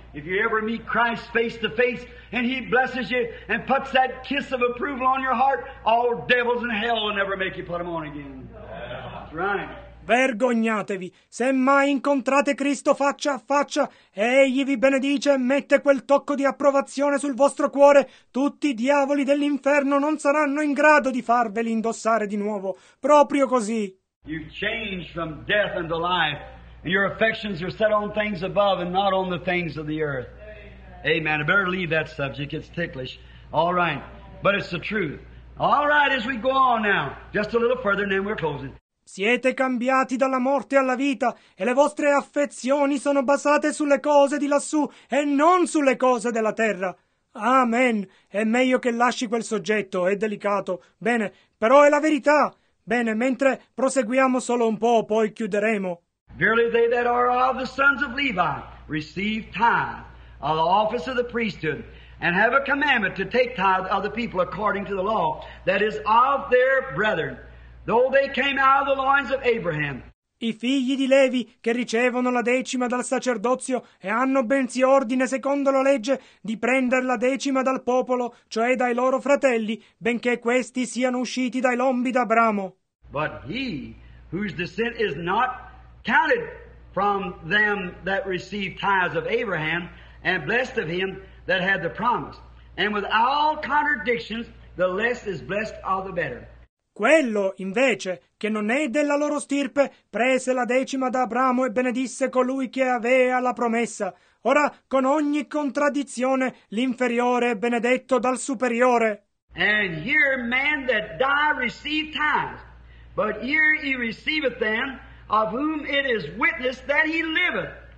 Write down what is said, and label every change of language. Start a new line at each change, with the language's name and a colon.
English: If you ever meet Christ face to face and he blesses you and puts that kiss of approval on your heart, all devils in hell will never make you put them on again. That's right.
Italian: Vergognatevi. Se mai incontrate Cristo faccia a faccia e egli vi benedice e mette quel tocco di approvazione sul vostro cuore, tutti i diavoli dell'inferno non saranno in grado di farveli indossare di nuovo. Proprio così.
English: You've changed from death into life. Your affections are set on things above and not on the things of the earth. Amen. I better leave that subject. It's ticklish. All right. But it's the truth. All right, as we go on now, just a little further and then we're closing.
Italian: Siete cambiati dalla morte alla vita e le vostre affezioni sono basate sulle cose di lassù e non sulle cose della terra. Amen. È meglio che lasci quel soggetto. È delicato. Bene. Però è la verità. Bene. Mentre proseguiamo solo un po', poi chiuderemo.
English: Verily they that are of the sons of Levi receive tithe of the office of the priesthood and have a commandment to take tithe of the people according to the law, that is, of their brethren, though they came out of the loins of Abraham.
Italian: I figli di Levi che ricevono la decima dal sacerdozio e hanno bensì ordine secondo la legge di prendere la decima dal popolo, cioè dai loro fratelli, benché questi siano usciti dai lombi d'Abramo.
English: But he whose descent is not counted from them that received tithes of Abraham, and blessed of him that had the promise. And with all contradictions, the less is blessed all the better.
Italian: Quello, invece, che non è della loro stirpe, prese la decima da Abramo e benedisse colui che aveva la promessa. Ora, con ogni contraddizione, l'inferiore è benedetto dal superiore.
English: And here man that die received tithes, but here he receiveth them, of whom it is witnessed that he liveth.